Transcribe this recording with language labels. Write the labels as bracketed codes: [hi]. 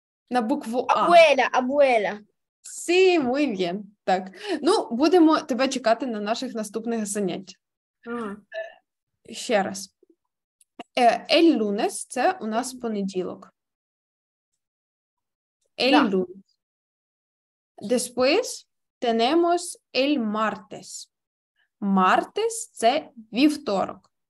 [uk] На букву А. [es] Абуела. Sí, muy bien. Так. [uk] Будемо тебе чекати на наших наступних занять. Ще раз. El lunes – це у нас понеділок. [es] El lunes. Después tenemos el martes. [uk] Martes – це вівторок.